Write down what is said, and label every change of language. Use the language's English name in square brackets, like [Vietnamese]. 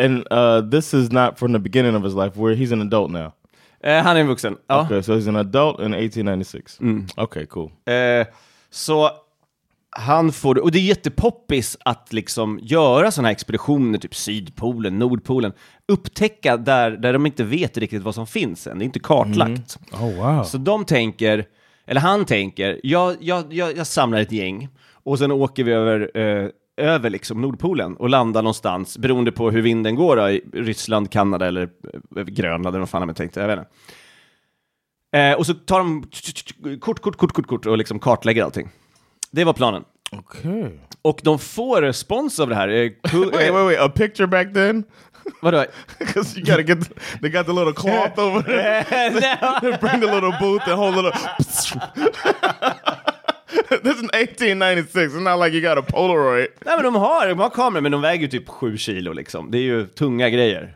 [English] And this is not from the beginning of his life, where he's an adult now. [Swedish] Han är en vuxen, ja. [English] Okay, so he's an adult in 1896. Mm. Okay, cool. [Swedish] Så han får, och det är jättepoppis att liksom göra såna här expeditioner, typ Sydpolen, Nordpolen, upptäcka där de inte vet riktigt vad som finns än. Det är inte kartlagt. [English] Mm. Oh, wow. [Swedish] Så de tänker, eller han tänker, jag samlar ett gäng och sen åker vi över liksom Nordpolen och landar någonstans, beroende på hur vinden går då, i Ryssland, Kanada eller Grönland, eller vad fan han tänkte, jag vet inte. Och så tar de kort och liksom kartlägger allting. Det var planen. Okej. Okay. Och de får respons av det här. [English] Wait, a picture back then? [Swedish] Vadå? [English] Because you gotta get, they got the little cloth over there. They bring the little booth and hold it up. This is 1896. It's not like you got a Polaroid. [Swedish] Nej, men de har kameror, men de väger typ 7 kilo liksom. Det är ju tunga grejer.